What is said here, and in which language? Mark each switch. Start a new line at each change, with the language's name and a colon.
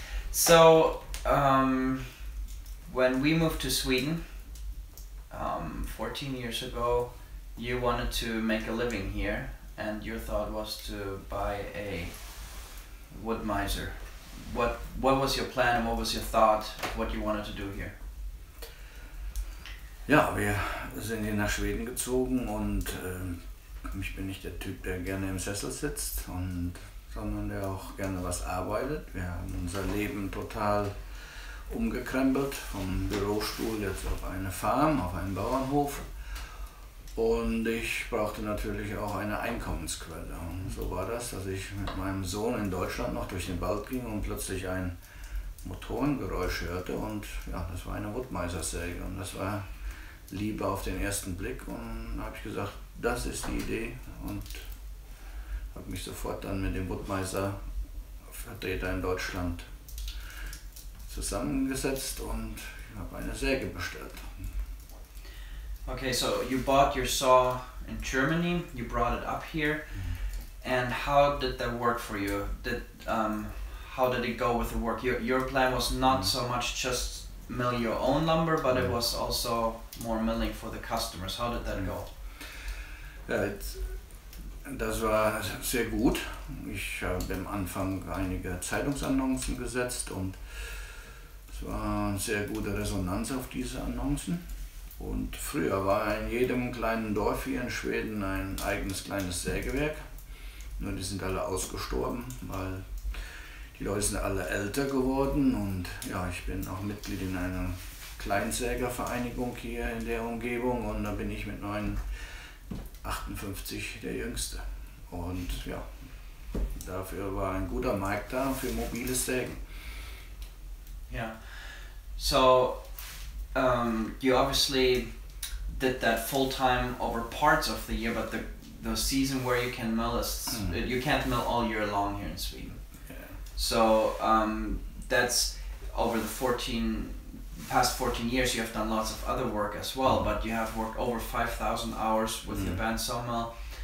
English: So, when we moved to Sweden 14 years ago, you wanted to make a living here, and your thought was to buy a Woodmeiser. What was your plan and what was your thought of what you wanted to do here?
German: Ja, wir sind hier nach Schweden gezogen und ich bin nicht der Typ, der gerne im Sessel sitzt, sondern der auch gerne was arbeitet. Wir haben unser Leben total umgekrempelt, vom Bürostuhl jetzt auf eine Farm, auf einen Bauernhof. Und ich brauchte natürlich auch eine Einkommensquelle. Und so war das, dass ich mit meinem Sohn in Deutschland noch durch den Wald ging und plötzlich ein Motorengeräusch hörte. Und ja, das war eine Woodmeiser-Säge. Und das war Liebe auf den ersten Blick. Und da habe ich gesagt, das ist die Idee, und habe mich sofort dann mit dem Woodmeiser-Vertreter in Deutschland zusammengesetzt und habe eine Säge bestellt.
English: Okay, so you bought your saw in Germany, you brought it up here, and how did that work for you? How did it go with the work? Your plan was not so much just mill your own lumber, but it was also more milling for the customers. How did that go?
German: Ja, das war sehr gut. Ich habe am Anfang einige Zeitungsannoncen gesetzt und es war eine sehr gute Resonanz auf diese Annoncen. Und früher war in jedem kleinen Dorf hier in Schweden ein eigenes kleines Sägewerk. Nur die sind alle ausgestorben, weil die Leute sind alle älter geworden. Und ja, ich bin auch Mitglied in einer Kleinsägervereinigung hier in der Umgebung und da bin ich mit 58 der Jüngste. Und ja, dafür war ein guter Markt da für mobile Sägen.
English: Yeah. So, you obviously did that full time over parts of the year, but the season where you can mill is, you can't mill all year long here in Sweden. Yeah. So, that's over the past 14 years, you have done lots of other work as well, but you have worked over 5,000 hours with your band sawmill.